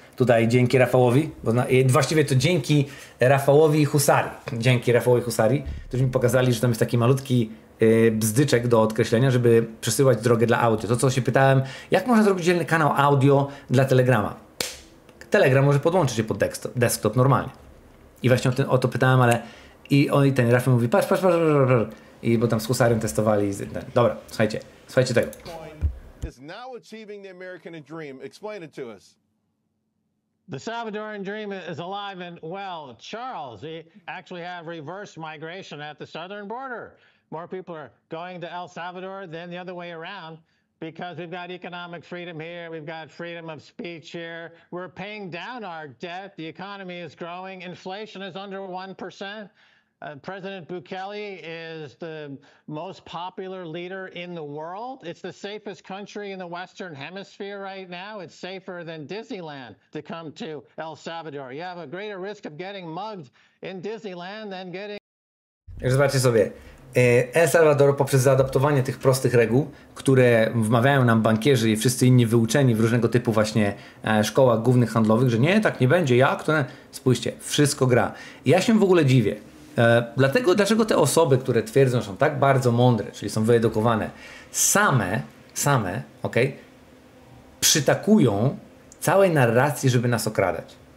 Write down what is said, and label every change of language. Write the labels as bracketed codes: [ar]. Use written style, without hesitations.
[pl] Tutaj dzięki Rafałowi, dzięki Rafałowi i Husarii, którzy mi pokazali, że tam jest taki malutki bzdyczek do odkreślenia, żeby przesyłać drogę dla audio. To co się pytałem, jak można zrobić dzielny kanał audio dla Telegrama? Telegram może podłączyć się pod desktop normalnie. I właśnie o to pytałem, ale i ten Rafał mówi, patrz. I bo tam z Husarem testowali. Dobra, słuchajcie tego. [en] Is now achieving the American dream. Explain it to us. The Salvadoran dream is alive and well, Charles. We actually have reverse migration at the southern border. More people are going to El Salvador than the other way around because we've got economic freedom here, we've got freedom of speech here. We're paying down our debt. The economy is growing. Inflation is under 1%. President Bukele is the most popular leader in the world. It's the safest country in the Western Hemisphere right now. It's safer than Disneyland to come to El Salvador. You have a greater risk of getting mugged in Disneyland than getting... [pl] Już zobaczcie sobie. El Salvador poprzez zaadaptowanie tych prostych reguł, które wmawiają nam bankierzy i wszyscy inni wyuczeni w różnego typu właśnie szkołach głównych handlowych, że nie, tak nie będzie, jak to... Spójrzcie, wszystko gra. Ja się w ogóle dziwię. Dlaczego te osoby, które twierdzą, że są tak bardzo mądre, czyli są wyedukowane, same, okej, przytakują całej narracji, żeby nas okradać.